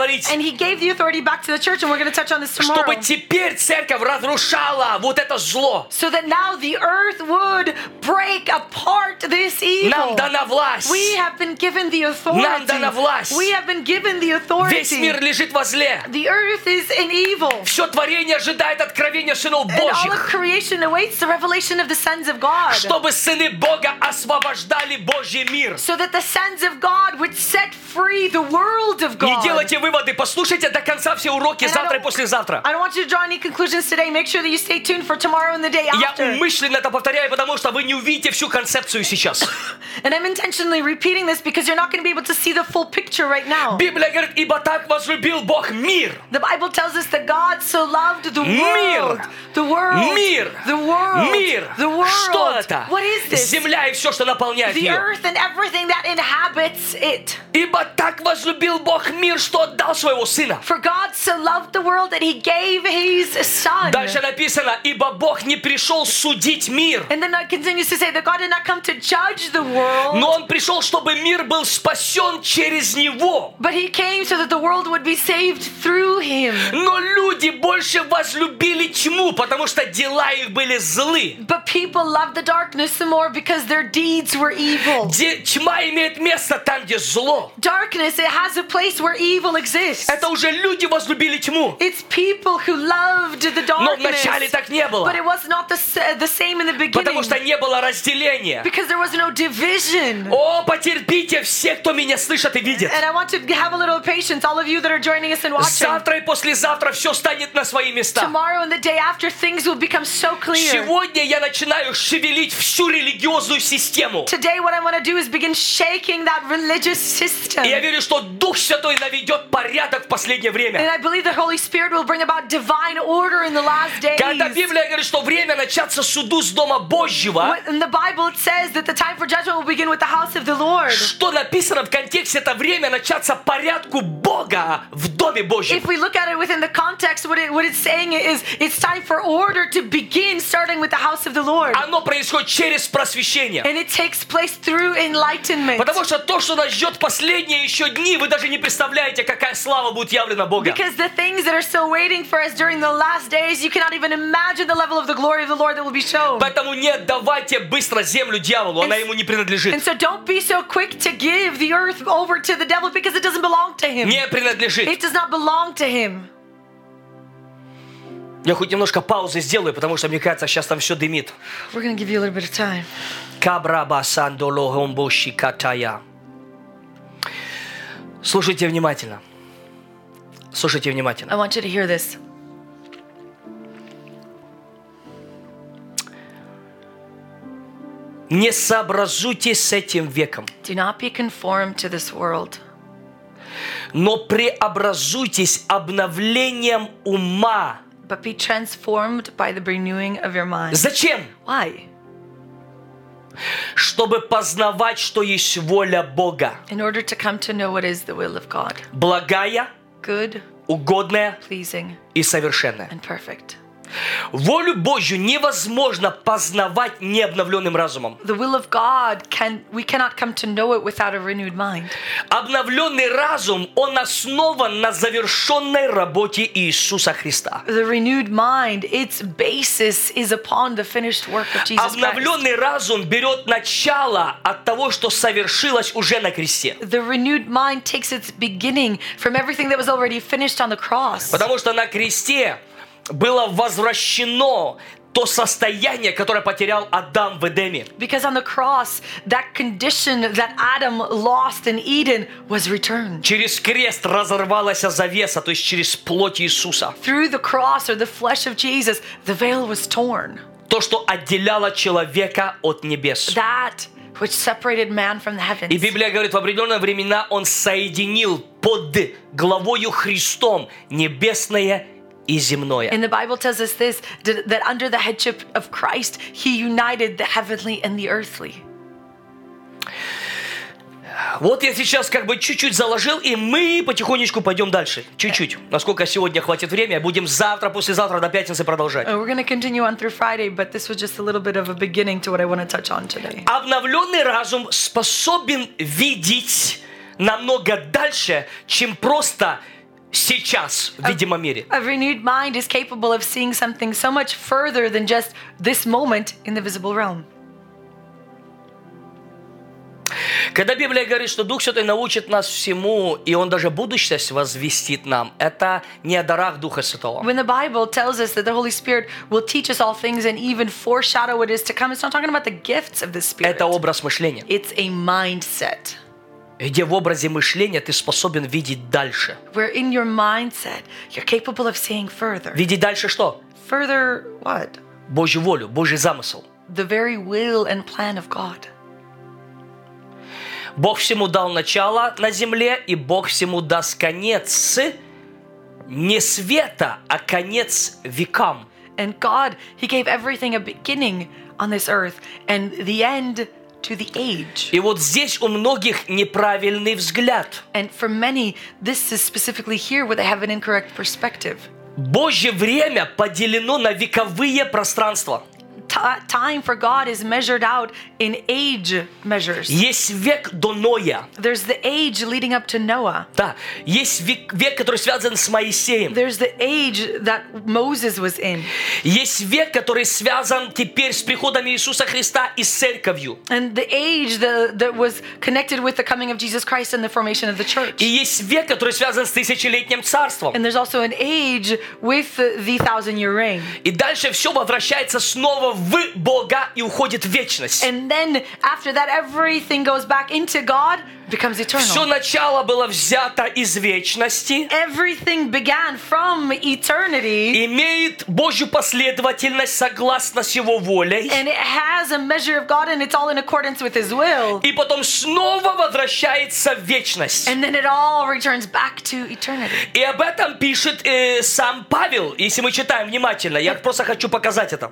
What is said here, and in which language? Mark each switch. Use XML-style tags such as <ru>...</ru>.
<en>And he gave the authority back to the church and we're going to touch on this tomorrow.</en> <ru>Чтобы теперь церковь разрушала вот это зло.</ru> <en>So that now the earth would break apart this evil.</en> <ru>Нам дана власть.</ru> <en>We have been given the authority.</en> <ru>Нам дана власть.</ru> <en>We have been given the authority.</en> <ru>Весь мир лежит во зле.</ru> <en>The earth is in evil.</en> <ru>Все творение ожидает откровения сынов Божьих.</ru> <en>And all of creation awaits the revelation of the sons of God.</en> <ru>Чтобы сыны Бога освобождали Божий мир.</ru> <en>So that the sons of God would set free the world of God.</en> <ru>Не делайте выводы, послушайте до конца все уроки завтра и послезавтра.</ru> <en>I don't want you to draw any conclusions today. Make sure that you stay tuned for tomorrow and the day after.</en> <ru>Я умышленно это повторяю, потому что вы не увидите всю концепцию сейчас.</ru> <en>And I'm intentionally repeating this because you're not going to be able to see the full picture right now.</en> <ru>Библия говорит, ибо так возлюбил Бог мир.</ru> <en>The Bible tells us that God so loved the world.</en> <ru>Мир.</ru> <en>The world.</en> <ru>Мир.</ru> <en>The world.</en> <ru>Мир.</ru> <en>The world.</en> <ru>Что это?</ru> <en>What is this?</en> <ru>Земля и все. все, что наполняет ее.</ru> <en>The earth and everything that inhabits it.</en> <ru>Ибо так возлюбил Бог мир, что отдал своего сына.</ru> <en>For God so loved the world that he gave his son.</en> <ru>Дальше написано, ибо Бог не пришел судить мир.</ru> <en>And then it continues to say that God did not come to judge the world.</en> <ru>Но он пришел, чтобы мир был спасен через него.</ru> <en>But he came so that the world would be saved through him.</en> <ru>Но люди больше возлюбили тьму, потому что дела их были злы.</ru> <en>But people loved the darkness the more because their deeds were evil.</en> <ru>Тьма имеет место там, где зло.</ru> <en>Darkness, it has a place where evil exists.</en> <ru>Это уже люди возлюбили тьму.</ru> <en>It's people who loved the darkness.</en> <ru>Но вначале так не было.</ru> <en>But it was not the same in the beginning.</en> <ru>Потому что не было разделения.</ru> <en>Because there was no division.</en> <ru>О, потерпите все, кто меня слышит и видит.</ru> <en>And I want to have a little patience, all of you that are joining us and watching.</en> <ru>Завтра и послезавтра все станет на свои места.</ru> <en>Tomorrow and the day after, things will become so clear.</en> <ru>Сегодня я начинаю шевелить всю религиозную систему.</ru> <en>Today, what I want to do is begin shaking that religious system.</en> <ru>И я верю, что Дух Святой наведет порядок в последнее время.</ru> <en>And I believe the Holy Spirit will bring about divine order in the last days.</en> <ru>Когда Библия говорит, что время начаться суду с дома Божьего.</ru> <en>And the Bible says that the time for judgment will begin with the house of the Lord.</en> <ru>Что написано в контексте, это время начаться порядку Бога в доме Божьем.</ru> <en>If we look at it within the context, what it's saying is it's time for order to begin, starting with the house of the Lord.</en> <ru>Оно происходит через просвещение.</ru> <en>And it takes place through enlightenment.</en> <ru>Потому что то, что нас ждет последние еще дни, вы даже не представляете, какая слава будет явлена Бога.</ru> <en>Because the things that are still waiting for us during the last days, you cannot even imagine the level of the glory of the Lord that will be shown.</en> <ru>Поэтому не отдавайте быстро землю дьяволу, она ему не принадлежит.</ru> <en>And so don't be so quick to give the earth over to the devil because it doesn't belong to him.</en> <ru>Не принадлежит.</ru> <en>It does not belong to him.</en> <ru>Я хоть немножко паузы сделаю, потому что мне кажется, сейчас там все дымит.</ru> <en>We're gonna give you a little bit of time. Кабраба сандоло гомбоши катая.</en> <ru>Слушайте внимательно. Слушайте внимательно.</ru> <en>I want you to hear this.</en> <ru>Не сообразуйтесь с этим веком.</ru> <en>Do not be conformed to this world.</en> <ru>Но преобразуйтесь обновлением ума.</ru> <en>But be transformed by the renewing of your mind.</en> <ru>Зачем?</ru> <en>Why?</en> <ru>Чтобы познавать, что есть воля Бога.</ru> <en>In order to come to know what is the will of God.</en> <ru>Благая.</ru> <en>Good.</en> <ru>Угодная.</ru> <en>Pleasing.</en> <ru>И совершенная.</ru> <en>And perfect.</en> <ru>Волю Божью невозможно познавать необновленным разумом.</ru> <en>The will of God we cannot come to know it without a renewed mind.</en> <ru>Обновленный разум, он основан на завершенной работе Иисуса Христа.</ru> <en>The renewed mind, its basis is upon the finished work of Jesus Christ.</en> <ru>Обновленный разум берет начало от того, что совершилось уже на кресте.</ru> <en>The renewed mind takes its beginning from everything that was already finished on the cross.</en> <ru>Потому что на кресте было возвращено то состояние, которое потерял Адам в Эдеме.</ru> <en>Because on the cross, that condition that Adam lost in Eden was returned.</en> <ru>Через крест разорвалась завеса, то есть через плоть Иисуса.</ru> <en>Through the cross or the flesh of Jesus, the veil was torn.</en> <ru>То, что отделяло человека от небес.</ru> <en>That which separated man from the heavens.</en> <ru>И Библия говорит, в определенные времена он соединил под главою Христом небесное и земное.</ru> <en>And the Bible tells us this, that under the headship of Christ, he united the heavenly and the earthly.</en> <ru>Вот я сейчас как бы чуть-чуть заложил, и мы потихонечку пойдем дальше. Чуть-чуть. Насколько сегодня хватит времени, будем завтра, послезавтра, до пятницы продолжать.</ru> <en>We're going to continue on through Friday, but this was just a little bit of a beginning to what I want to touch on today.</en> <ru>Обновленный разум способен видеть намного дальше, чем просто сейчас, в видимом мире.</ru> <en>A renewed mind is capable of seeing something so much further than just this moment in the visible realm.</en> <ru>Когда Библия говорит, что Дух Святой научит нас всему, и Он даже будущность возвестит нам, это не о дарах Духа Святого.</ru> <en>When the Bible tells us that the Holy Spirit will teach us all things and even foreshadow what is to come, it's not talking about the gifts of the Spirit.</en> <ru>Это образ мышления.</ru> <en>It's a mindset.</en> <ru>Где в образе мышления ты способен видеть дальше.</ru> <en>Where in your mindset you're capable of seeing further.</en> <ru>Видеть дальше что?</ru> <en>Further what?</en> <ru>Божью волю, Божий замысел.</ru> <en>The very will and plan of God.</en> <ru>Бог всему дал начало на земле, и Бог всему даст конец не света, а конец векам.</ru> <en>And God, he gave everything a beginning on this earth, and the end to the age.</en> <ru>И вот здесь у многих неправильный взгляд.</ru> <en>And for many, this is specifically here where they have an incorrect perspective.</en> <ru>Божье время поделено на вековые пространства.</ru> <en>Time for God is measured out in age measures.</en> <ru>Есть век до Ноя.</ru> <en>There's the age leading up to Noah.</en> <ru>Да. Есть век, который связан с Моисеем.</ru> <en>There's the age that Moses was in.</en> <ru>Есть век, который связан теперь с приходом Иисуса Христа и церковью.</ru> <en>And the age that was connected with the coming of Jesus Christ and the formation of the church.</en> <ru>И есть век, который связан с тысячелетним царством.</ru> <en>And there's also an age with the thousand-year reign.</en> <ru>И дальше все возвращается снова в Бога и уходит в вечность.</ru> <en>And then after that everything goes back into God, becomes eternal.</en> <ru>Все начало было взято из вечности.</ru> <en>Everything began from eternity.</en> <ru>Имеет Божью последовательность согласно с Его волей.</ru> <en>And it has a measure of God and it's all in accordance with His will.</en> <ru>И потом снова возвращается в вечность.</ru> <en>And then it all returns back to eternity.</en> <ru>И об этом пишет сам Павел, если мы читаем внимательно. Я просто хочу показать это.</ru>